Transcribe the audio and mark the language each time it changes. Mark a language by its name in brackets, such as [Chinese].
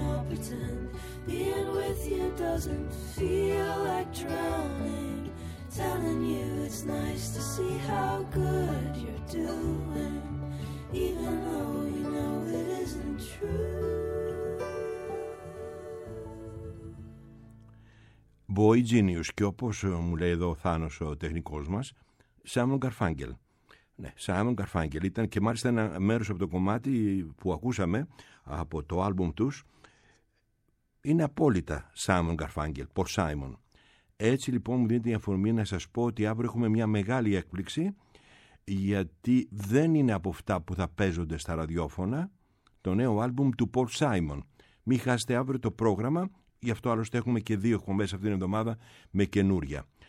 [English] I'll pretend being with you doesn't feel like drowning. Telling you it's nice to see how good you're doing. Even though you know it isn't true. [Greek] Boy Genius, και όπως μου λέει εδώ ο Θάνος ο τεχνικός μας, Simon Garfunkel. Ναι, Simon Garfunkel ήταν και μάλιστα ένα μέρος από το κομμάτι που ακούσαμε από το άλμπουμ τους. Είναι απόλυτα Simon Garfunkel, Paul Simon. Έτσι λοιπόν μου δίνει την αφορμή να σας πω ότι αύριο έχουμε μια μεγάλη έκπληξη, γιατί δεν είναι από αυτά που θα παίζονται στα ραδιόφωνα το νέο άλμπουμ του Paul Simon. Μην χάσετε αύριο το πρόγραμμα. Γι' αυτό άλλωστε έχουμε και δύο εκπομπές αυτήν την εβδομάδα με καινούρια.